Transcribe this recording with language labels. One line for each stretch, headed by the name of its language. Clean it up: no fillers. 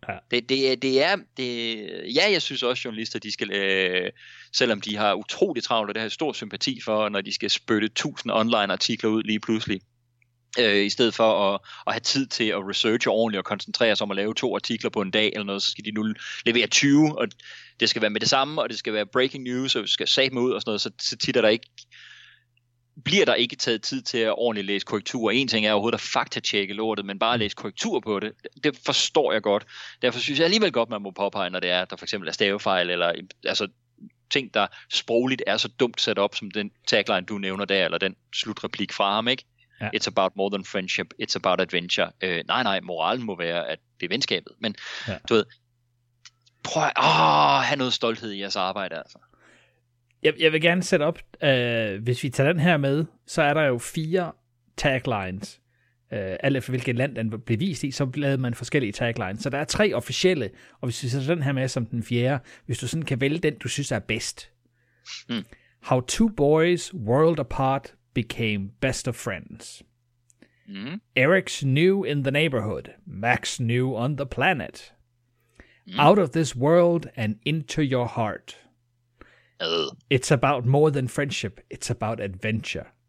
Danish: Det er, jeg synes også, journalister, de skal, selvom de har utroligt travlt, og det har stor sympati for, når de skal spytte 1000 online artikler ud lige pludselig, i stedet for at have tid til at researche ordentligt og koncentrere sig om at lave 2 artikler på en dag eller noget, så skal de nu levere 20, og det skal være med det samme, og det skal være breaking news, og vi skal sætte dem ud og sådan noget, så tit er der ikke, bliver der ikke taget tid til at ordentligt læse korrektur. En ting er overhovedet at faktatjekke lortet, men bare at læse korrektur på det, det forstår jeg godt. Derfor synes jeg alligevel godt, man må påpege, når det er, der for eksempel er stavefejl, eller altså, ting, der sprogligt er så dumt sat op, som den tagline, du nævner der, eller den slutreplik fra ham, ikke? Ja.
English: It's about more than friendship, it's about adventure.
Danish: Nej, moralen må være, at det er venskabet. Men ja, du ved, prøv at have noget stolthed i jeres arbejde, altså. Jeg vil gerne sætte op, hvis vi tager den her med, så er der jo 4 taglines, alt efter hvilket land den blev vist i, så lavede man forskellige taglines. Så der er 3 officielle, og hvis vi tager den her med som den 4., hvis du sådan kan vælge den, du synes er bedst. Mm.
English: How two boys world apart became best of friends. Mm. Eric's new in the neighborhood, Max's new on the planet. Mm. Out of this world and into your heart. It's about more than friendship, it's about adventure.